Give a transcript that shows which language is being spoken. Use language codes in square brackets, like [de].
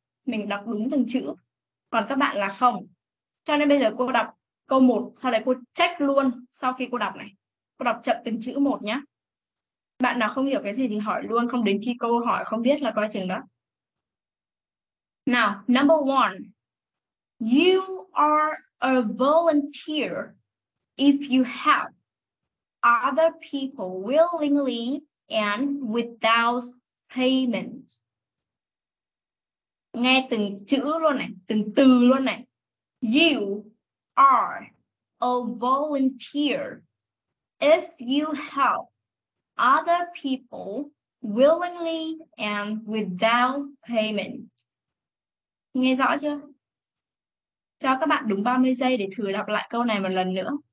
[vi] Mình đọc đúng từng chữ. Còn các bạn là không. Cho nên bây giờ cô đọc câu 1, sau đấy cô check luôn sau khi cô đọc này. Cô đọc chậm từng chữ một nhé. Bạn nào không hiểu cái gì thì hỏi luôn, không đến khi cô hỏi không biết là coi chừng đó. [en] Nào, number one. You are a volunteer if you help other people willingly and without payment. [vi] Nghe từng chữ luôn này, từng từ luôn này. [en] You are a volunteer if you help other people willingly and without payment. [vi] Nghe rõ chưa? Cho các bạn đúng 30 giây để thử đọc lại câu này một lần nữa.